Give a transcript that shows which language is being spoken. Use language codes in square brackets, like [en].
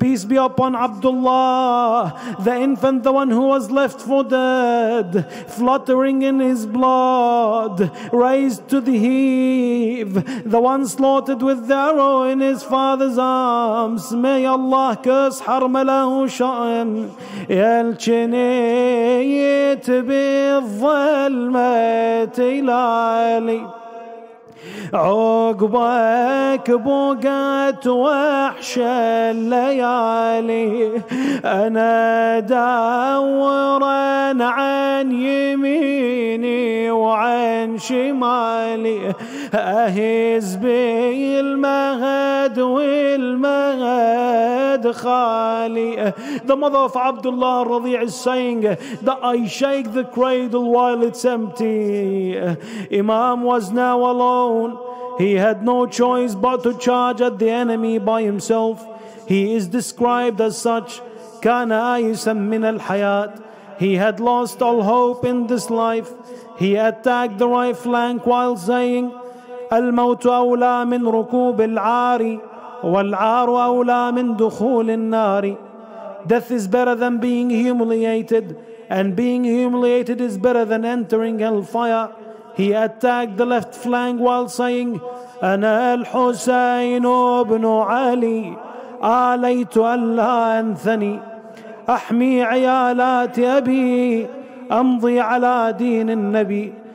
[en] Peace be upon Abdullah, the infant, the one who was left for dead, fluttering in his blood, raised to the heave, the one slaughtered with the arrow in his father's arms. May Allah curse Haram. [ar] ارمله شام يا الجنيت بالظلمه تلالي عقبك بوقت وحش الليالي انا دورا عن يميني وعن شمالي اهز بالمهد والمهد خالي. [en] The mother of Abdullah الرضيع is saying that I shake the cradle while it's empty. Imam was now alone. He had no choice but to charge at the enemy by himself. He is described as such. [ar] كان آيسا من الحياة. [en] He had lost all hope in this life. He attacked the right flank while saying, [ar] الموت أولى من ركوب العار والعار أولى من دخول النار. [en] Death is better than being humiliated, and being humiliated is better than entering hellfire. He attacked the left flank while saying, [ar] أنا الحسين بن علي آليت ألا أنثني أحمي عيالات أبي أمضي على دين النبي.